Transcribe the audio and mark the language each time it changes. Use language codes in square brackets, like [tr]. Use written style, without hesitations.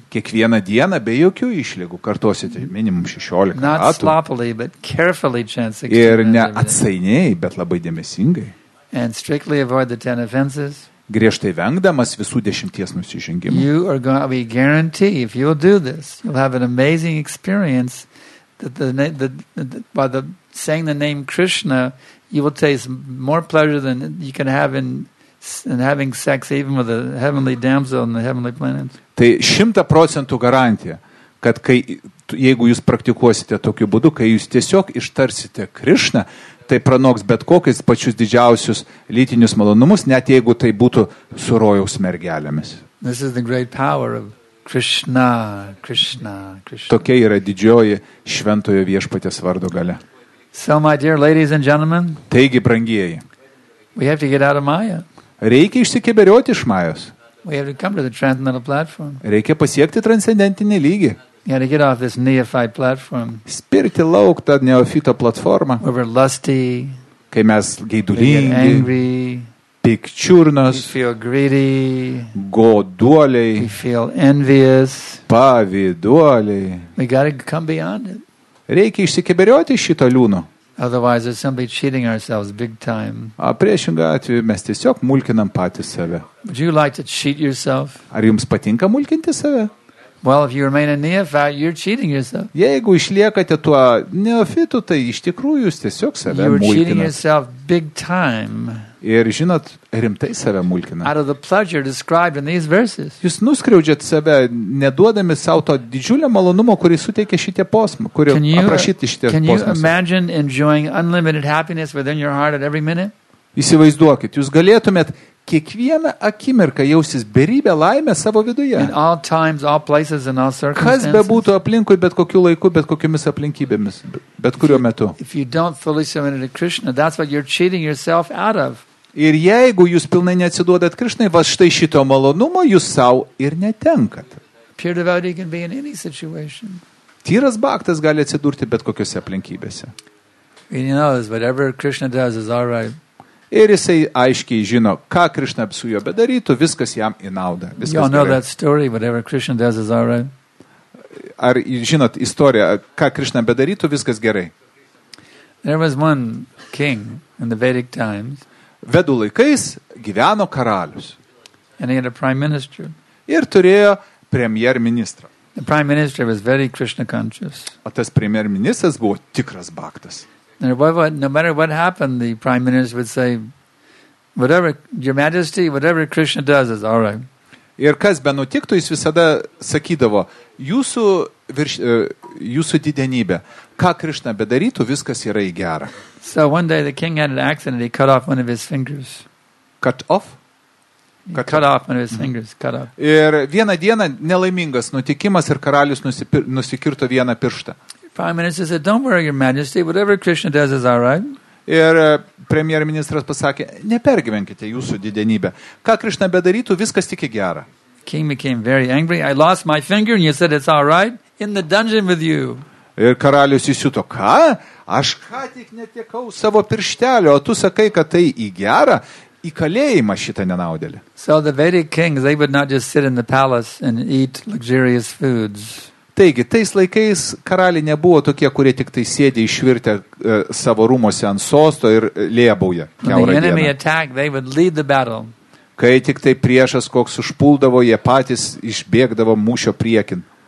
[lt] kiekvieną dieną be jokių išlygų kartuosite minimum 16 ratų, [en] not sloppily but carefully chant 16 [lt] ir ne atsainiai bet labai dėmesingai, [en] and strictly avoid the 10 offenses, [lt] griežtai vengdamas visų 10 nusižengimų, [en] you are going to be guaranteed, if you'll do this, you'll have an amazing experience that by saying the name Krishna, you will taste more pleasure than you can have in having sex even with a heavenly damsel on the heavenly planet. [lt] Tai 100% garantija, kad kai, jeigu jūs praktikuosite tokiu būdu, kai jūs tiesiog ištarsite Krishna, tai pranoks bet kokius pačius didžiausius lytinius malonumus, net jeigu tai būtų su rojaus mergelėmis. [en] This is the great power of Krishna, Krishna, Krishna. [lt] Tokia yra didžioji šventojo viešpatės vardo galia. [en] So, my dear ladies and gentlemen, [lt] taigi, brangieji, [en] we have to get out of Maya. [lt] Reikia išsikeberioti iš Majos. [en] We have to come to the transcendental platform. [lt] Reikia pasiekti transcendentinį lygį. [en] We have to get off this neophyte platform. [lt] Spirti lauk tą neofito platformą. [en] Where we're lusty. [lt] Kai mes geidulingi. [en] We get angry. [lt] Pikčiurnos. [en] We feel greedy. [lt] Goduoliai. [en] We feel envious. [lt] Pavyduoliai. [en] We got to come beyond it. [lt] Reikia išsikeberioti šito liūno. [en] Otherwise, we're simply cheating ourselves big time. [lt] A priešingą atveju mes tiesiog mulkinam patys save. [en] Would you like to cheat yourself? [lt] Ar jums patinka mulkinti save? [en] Well, if you remain a neophyte, you're cheating yourself. [lt] Jeigu išliekate tuo neofitu, tai iš tikrųjų jūs tiesiog save mulkinat. [en] You're cheating yourself big time. [lt] Ir žinot, rimtai save mulkinat. [en] Out of the pleasure described in these verses. [lt] Jūs nuskriaudžiat save, neduodami sau to didžiulio malonumo, kurį suteikia šitie posmai, kurį aprašyti šitie posmai. [en] Can you imagine enjoying unlimited happiness within your heart at every minute? [lt] Įsivaizduokit, jūs galėtumėt kiekvieną akimirką jausis beribę laimę savo viduje. [en] In all times, all places, in all circumstances. [lt] Kas bebūtų aplinkui, bet kokiu laiku, bet kokiomis aplinkybėmis, bet kuriuo metu. [en] If you don't fully surrender to Krishna, that's what you're cheating yourself out of. [lt] Ir jeigu jūs pilnai neatsiduodat Krishnai, va štai šito malonumo jūs sau ir netenkat. [en] Pure devotee can be in any situation. [lt] tyras baktas gali atsidurti bet kokiose aplinkybėse. [en] And he knows whatever Krishna does is all right. [lt] Ir jisai aiškiai žino, ką Krishna su juo bedarytų, viskas jam į naudą. [en] You know that story, whatever Krishna does is all right. [lt] Ar žinot istoriją, ką Krishna bedarytų, viskas gerai. [en] There was one king in the Vedic times. [lt] Vedų laikais gyveno karalius. [en] And he had a prime minister. [lt] Ir turėjo premjer ministrą. [en] The prime minister was very Krishna conscious. [lt] O tas premjer ministras buvo tikras baktas. [en] No matter what happened, the prime minister would say, whatever, your majesty, whatever Krishna does is all right. [lt] Ir kas benutiktų, jis visada sakydavo, jūsų didenybė, ką Krishna bedarytų, viskas yra į gerą. [en] So one day the king had an accident, he cut off one of his fingers. Cut off? Cut off one of his fingers. [lt] Ir vieną dieną nelaimingas nutikimas ir karalius nusikirto vieną pirštą. [en] Prime minister said, don't worry, your majesty, whatever Krishna does is all right. [lt] Ir premjer ministras pasakė, nepergyvenkite jūsų didenybę. Ką Krishna bedarytų, viskas tik į gerą. [en] King became very angry. I lost my finger and you said it's all right in the dungeon with you. [lt] Ir karalius įsiuto, ką? Aš ką tik netekau savo pirštelio, o tu sakai, kad tai į gerą, į kalėjimą šitą nenaudėlį. [en] So the Vedic kings, they would not just sit in the palace and eat luxurious foods. [lt] Taigi, tais laikais karaliai nebuvo tokie, kurie tik tai sėdė išvirtę savo rūmose ant sosto ir lėbauja keurą dieną. Kai tik tai priešas koks užpuldavo, jie patys išbėgdavo mūšio priekin.